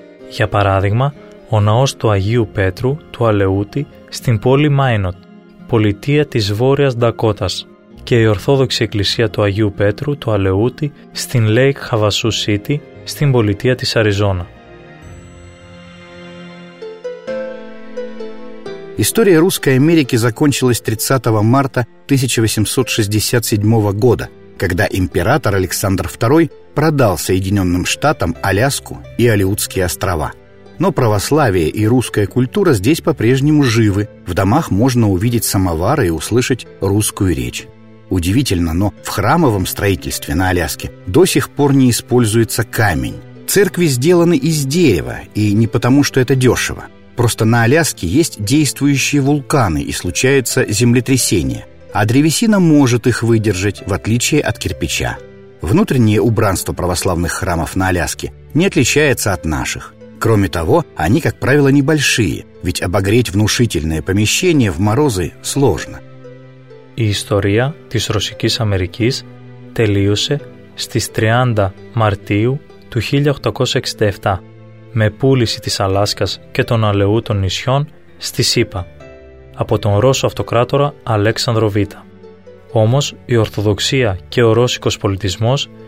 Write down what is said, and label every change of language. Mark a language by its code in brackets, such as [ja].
[el] Για παράδειγμα, ο ναός του Αγίου Πέτρου του Αλεούτη στην πόλη Μάινοτ, πολιτεία της Βόρειας Ντακότας, και η Ορθόδοξη Εκκλησία του Αγίου Πέτρου του Αλεούτη στην Λέικ Χαβασού Σίτι στην πολιτεία της Αριζόνα. [ru] История Русской Америки закончилась 30 марта 1867 года, когда император Александр II продал Соединенным Штатам Аляску и Алеутские острова. Но православие и русская культура здесь по-прежнему живы. В домах можно увидеть самовары и услышать русскую речь. Удивительно, но в храмовом строительстве на Аляске до сих пор не используется камень. Церкви сделаны из дерева, и не потому, что это дешево. Просто на Аляске есть действующие вулканы и случаются землетрясения. А древесина может их выдержать, в отличие от кирпича. Внутреннее убранство православных храмов на Аляске не отличается от наших. Кроме того, они, как правило, небольшие, ведь обогреть внушительное помещение в морозы сложно. [el] Η ιστορία της Ρωσικής Αμερικής τελείωσε στις 30 Μαρτίου του 1867 με πούληση της Αλάσκας και των Αλεούτων νησιών στη ΣΥΠΑ από τον Ρώσο Αυτοκράτορα Αλέξανδρο Β. Όμως η Ορθοδοξία και ο Ρώσικος πολιτισμός